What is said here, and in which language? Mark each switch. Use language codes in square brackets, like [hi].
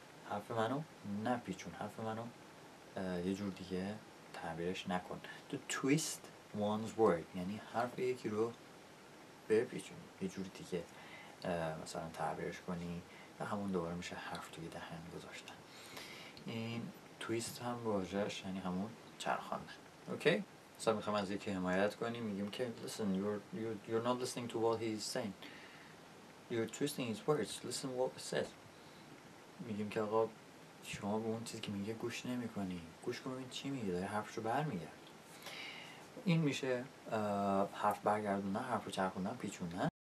[fa] حرف منو نپیچون، حرف منو یه جور دیگه تعبیرش نکن. [en] To twist one's word [fa] یعنی حرف یکی رو بپیچون، یه جور دیگه مثلا تعبیرش کنی و همون دوباره میشه حرف توی دهن گذاشتن. این twist هم واژه‌اش یعنی همون چرخاندن. اوکی؟ مثلا میخوام از یکی حمایت کنیم، میگیم که [en] listen, you're not listening to what he's saying, you're twisting his words, listen what he says. [fa] میگیم که آقا شما به اون چیزی که میگه گوش نمی کنی، گوش کن ببین چی میگه، داره حرفش رو بر میگرد. این میشه حرف برگردوندن، حرف رو چرخوندن، پیچوندن.